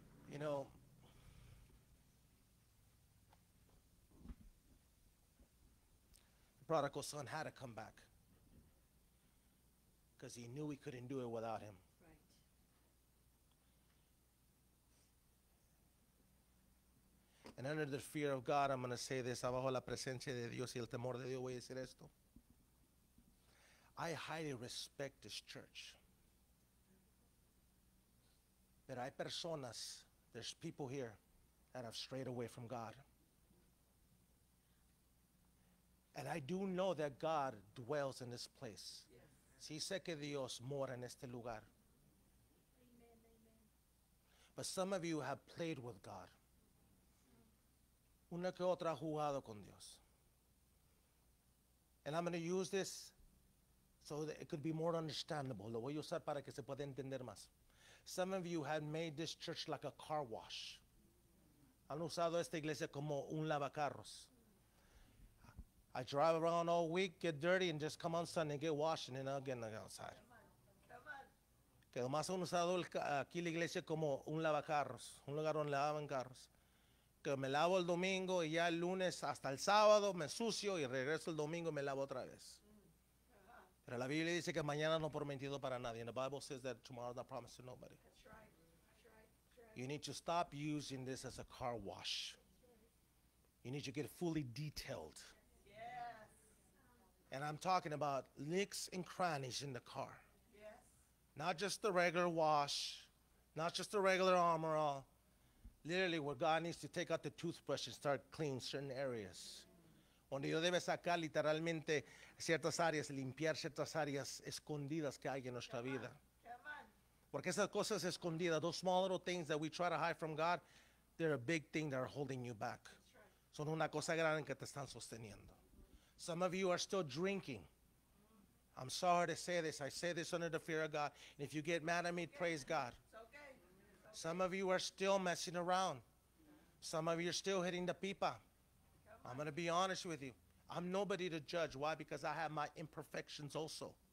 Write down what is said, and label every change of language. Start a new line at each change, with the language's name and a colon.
English: You know, the prodigal son had to come back because he knew he couldn't do it without him. Right. And under the fear of God, I'm going to say this.
Spanish: Abajo la presencia de Dios y el temor de Dios, voy a decir esto.
English: I highly respect this church.
Spanish: Pero hay personas.
English: There's people here that have strayed away from God. And I do know that God dwells in this place.
Spanish: Sí sé que Dios mora en este lugar.
English: But some of you have played with God.
Spanish: Una que otra ha jugado con Dios.
English: And I'm going to use this so that it could be more understandable.
Spanish: Lo voy a usar para que se pueda entender más.
English: Some of you have made this church like a car wash.
Spanish: Han usado esta iglesia como un lavacarros.
English: I drive around all week, get dirty, and just come on Sunday and get washed, and then I'll get outside.
Spanish: Que más han usado aquí la iglesia como un lavacarros, un lugar donde lavan carros. Que me lavo el domingo y ya el lunes hasta el sábado me sucio y regreso el domingo y me lavo otra vez. Pero la Biblia dice que mañana no prometido para nadie.
English: And the Bible says that tomorrow is not promised to nobody. That's right. You need to stop using this as a car wash. You need to get fully detailed. Yes. And I'm talking about nicks and crannies in the car. Yes. Not just the regular wash. Not just the regular armor all. Literally where God needs to take out the toothbrush and start cleaning certain areas.
Spanish: Donde Dios debe sacar literalmente ciertas áreas, limpiar ciertas áreas escondidas que hay en nuestra vida. Porque esas cosas escondidas,
English: those small little things that we try to hide from God, they're a big thing that are holding you back. Right.
Spanish: Son una cosa grande que te están sosteniendo.
English: Some of you are still drinking. I'm sorry to say this. I say this under the fear of God. And if you get mad at me, praise God. It's okay. Some of you are still messing around. Some of you are still hitting the pipa. I'm going to be honest with you. I'm nobody to judge. Why? Because I have my imperfections also.